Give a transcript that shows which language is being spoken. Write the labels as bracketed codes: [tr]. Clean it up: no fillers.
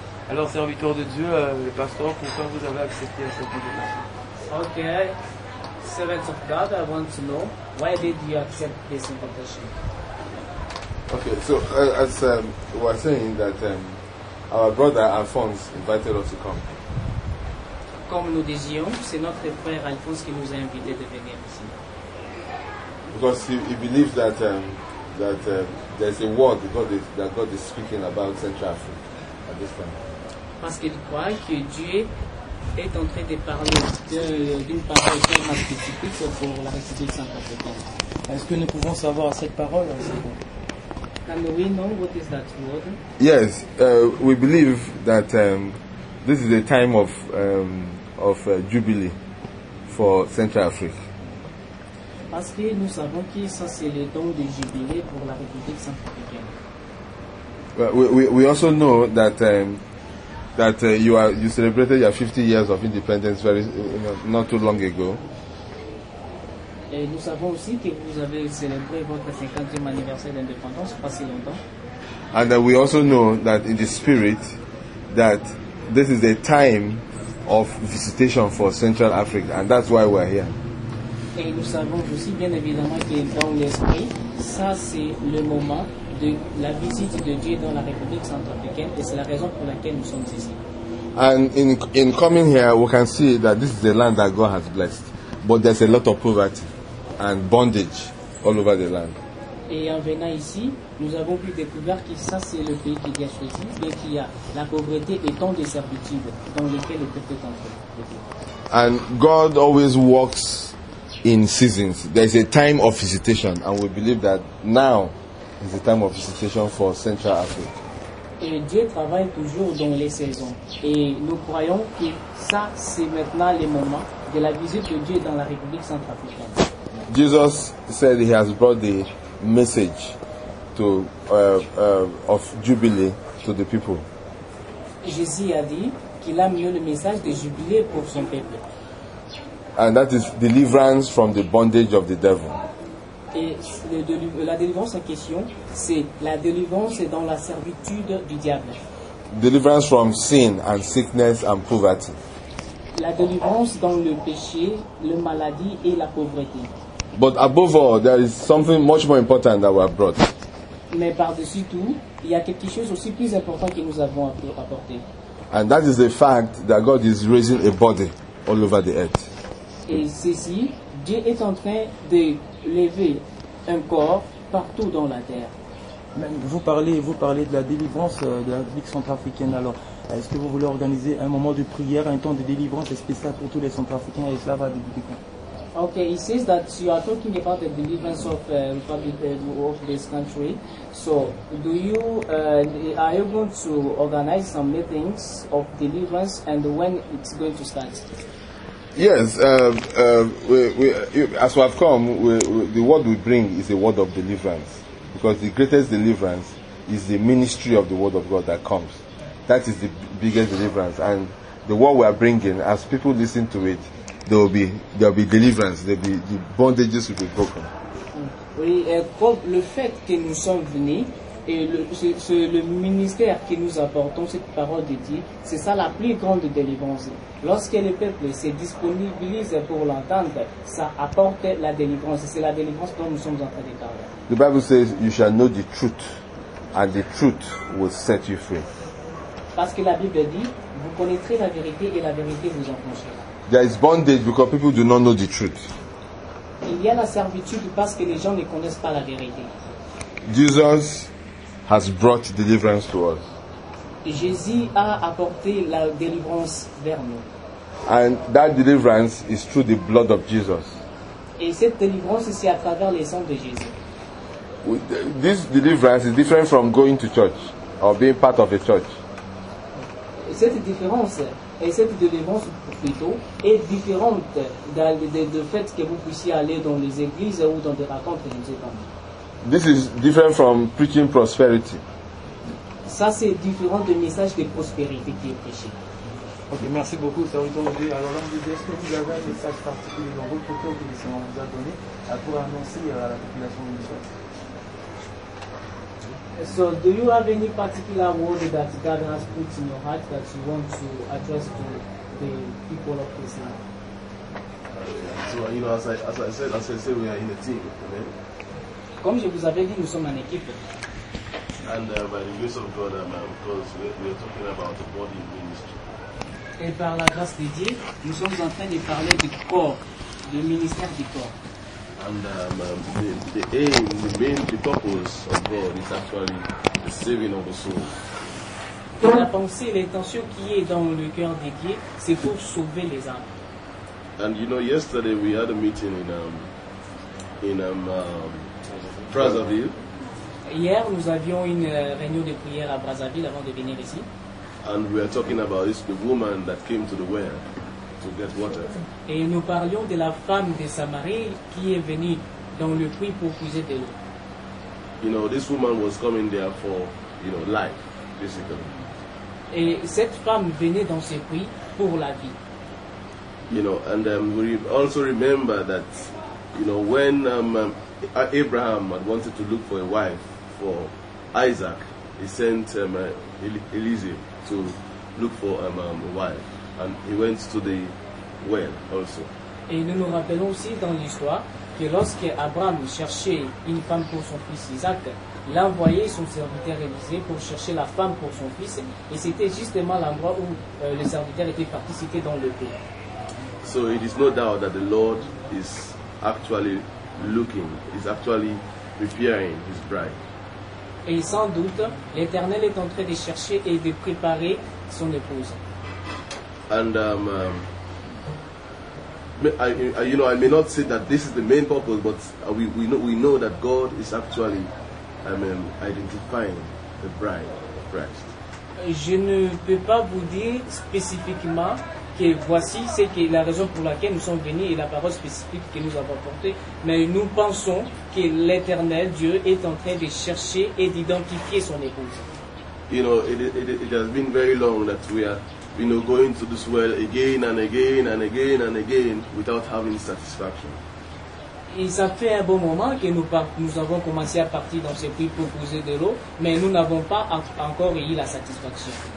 [fr] Alors, serviteur de Dieu, le pasteur, pourquoi vous avez accepté cette invitation? [en] Ok, servant of God, I want to know why did you accept this invitation? Ok, so as we're saying that. Our brother Alphonse invited us to come. [fr] Comme nous disions, c'est notre frère Alphonse qui nous a invités de venir ici. [en] Because he believes that there's a word that God is speaking about Central Africa at this time. [fr] Parce qu'il croit que Dieu est en train de parler d'une parole tellement spécifique pour la République centrafricaine. Est-ce que nous pouvons savoir cette parole? [en] Can we know what is that word? Yes, we believe that this is a time of jubilee for Central Africa. [fr] Parce que nous savons que ça c'est le temps de jubilé pour la République centrafricaine. [en] Well, we also know that you celebrated your 50 years of independence very not too long ago. [fr] Et nous savons aussi que vous avez célébré votre 50e anniversaire d'indépendance pas si longtemps. [en] And we also know that in the spirit that this is a time of visitation for Central Africa, and that's why we're here. [fr] Et nous savons aussi bien évidemment que dans l'esprit, ça c'est le moment de la visite de Dieu dans la République centrafricaine, et c'est la raison pour laquelle nous sommes ici. [en] And in coming here, we can see that this is the land that God has blessed, but there's a lot of poverty and bondage all over the land. [fr] Et en venant ici, nous avons pu découvrir que ça c'est le pays qui a choisi, mais qu'il y a la pauvreté et tant de servitude dans lequel le peuple est entré. [en] And God always works in seasons. There is a time of visitation, and we believe that now is the time of visitation for Central Africa. [fr] Et Dieu travaille toujours dans les saisons, et nous croyons que ça c'est maintenant le moment de la visite de Dieu dans la République centrafricaine. [en] Jesus said he has brought the message to of jubilee to the people. [fr] Jésus a dit qu'il a mis le message de jubilé pour son peuple. [en] And that is deliverance from the bondage of the devil. [fr] Et la délivrance en question, c'est la délivrance dans la servitude du diable. [en] Deliverance from sin and sickness and poverty. [fr] La délivrance dans le péché, la maladie et la pauvreté. [en] But above all, there is something much more important that we have brought. [fr] Mais par-dessus tout, il y a quelque chose aussi plus important que nous avons apporté. [en] And that is the fact that God is raising a body all over the earth. [fr] Et ceci, Dieu est en train de lever un corps partout dans la terre. Vous parlez de la délivrance de la République centrafricaine. Alors, est-ce que vous voulez organiser un moment de prière, un temps de délivrance spécial pour tous les centrafricains et cela va débuter quand? [en] Okay, he says that you are talking about the deliverance of Republic of this country. So, do you are you going to organize some meetings of deliverance and when it's going to start? Yes, the word we bring is a word of deliverance. Because the greatest deliverance is the ministry of the word of God that comes. That is the biggest deliverance. And the word we are bringing, as people listen to it, there will be deliverance. The bondages will be broken. [fr] Oui, le fait que nous sommes venus et le ministère que nous apportons cette parole de Dieu, c'est ça la plus grande délivrance. Lorsque le peuple se disponibilise pour l'entendre, ça apporte la délivrance. C'est la délivrance dont nous sommes en train de parler. [en] The Bible says, "You shall know the truth, and the truth will set you free." [fr] Parce que la Bible dit, vous connaîtrez la vérité et la vérité vous enfoncera. [en] There is bondage because people do not know the truth. [fr] Il y a la servitude parce que les gens ne connaissent pas la vérité. [en] Jesus has brought deliverance to us. [fr] Jésus a apporté la délivrance vers nous. [en] And that deliverance is through the blood of Jesus. [fr] Et cette délivrance c'est à travers le sang de Jésus. [en] This deliverance is different from going to church or being part of a church. [fr] Cette différence et cette délivrance plutôt est différente de fait que vous puissiez aller dans les églises ou dans des rencontres religieuses. [en] This is different from preaching prosperity. [fr] Ça c'est différent du message de prospérité qui est prêché. Ok, merci beaucoup. Ça vous donne. Alors, l'homme de Dieu, est-ce que vous avez un message particulier dans votre cœur que le Seigneur vous a donné pour annoncer à la population de l'Église? [en] So, do you have any particular word that God has put in your heart that you want to address to the people of this land? So, you know, as I said, we are in a team. Amen. [fr] Comme je vous avais dit, nous sommes en équipe. [en] And by the grace of God, because we are talking about the body ministry. [fr] Et par la grâce de Dieu, nous sommes en train de parler du corps, du ministère du corps. [en] And the purpose of God is actually the saving of the soul. [fr] Et la pensée, l'intention qui est dans le cœur de Dieu, c'est pour sauver les âmes. [en] And you know, yesterday we had a meeting in Brazzaville. [fr] Hier, nous avions une réunion de prière à Brazzaville avant de venir ici. [en] And we are talking about this, the woman that came to the well to get water. [fr] Et nous parlions de la femme de Samarie qui est venue dans le puits pour puiser de l'eau. [en] You know, this woman was coming there for, you know, life, basically. [fr] Et cette femme venait dans ce puits pour la vie. [en] You know, and we also remember that, you know, when Abraham had wanted to look for a wife for Isaac, he sent Eliezer to look for a wife, and he went to the well also. [fr] Et nous nous rappelons aussi dans l'histoire que lorsque Abraham cherchait une femme pour son fils Isaac, il envoyait son serviteur Élisée pour chercher la femme pour son fils, et c'était justement l'endroit où le serviteur était parti, c'était dans le pays. [en] So it is no doubt that the Lord is actually looking, is actually preparing his bride. [fr] Et sans doute, l'Éternel est en train de chercher et de préparer son épouse. [en] And you know, I may not say that this is the main purpose, but we know that God is actually identifying the bride of Christ. [fr] Je ne peux pas vous dire spécifiquement que voici c'est que la raison pour laquelle nous sommes venus et la parole spécifique que nous avons portée. Mais nous pensons que l'Éternel Dieu est en train de chercher et d'identifier son épouse. [en] You know, it has been very long that we are, you know, going to this well again and again and again and again without having satisfaction. [fr] Et ça fait un bon moment que nous avons commencé à partir dans ces puits pour puiser de l'eau, mais nous n'avons pas encore eu la satisfaction.